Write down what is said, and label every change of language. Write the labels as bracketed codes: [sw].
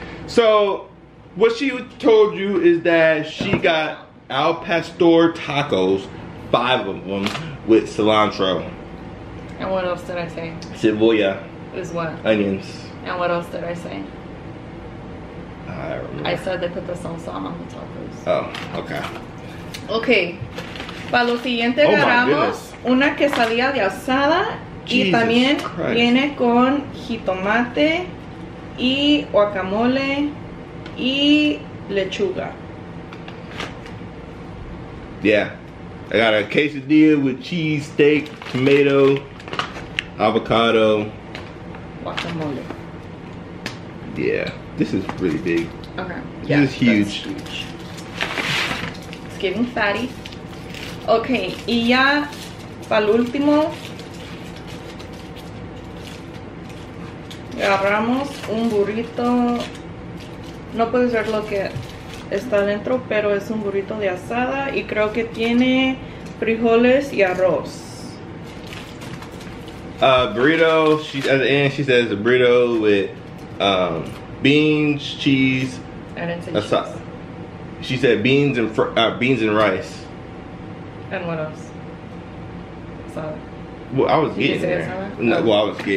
[en] So, what she told you is that she got al pastor tacos, 5 of them, with cilantro. And what else did I say? [es] Cebolla. [en] Is what? Onions. And what else did I say? I said they put the salsa on the tacos. Oh, okay. Okay. [es] Para lo siguiente, agarramos una quesadilla de asada. [en] Jesus [es] y también [en] Christ. [es] Viene con jitomate y guacamole y lechuga. [en] Yeah. I got a quesadilla with cheese, steak, tomato, avocado. Guacamole. Yeah. This is really big. Okay. This yeah, is huge. That's huge. It's getting fatty. [es] Okay, y ya para el último agarramos un burrito No puedes ver lo que está dentro, pero es un burrito de asada y creo que tiene frijoles y arroz. [en] Burrito, she, at the end she says a burrito with beans, cheese, [es] asada. [en] She said beans and beans and rice. And what else? Asada. Well, I was getting there. No, well, I was getting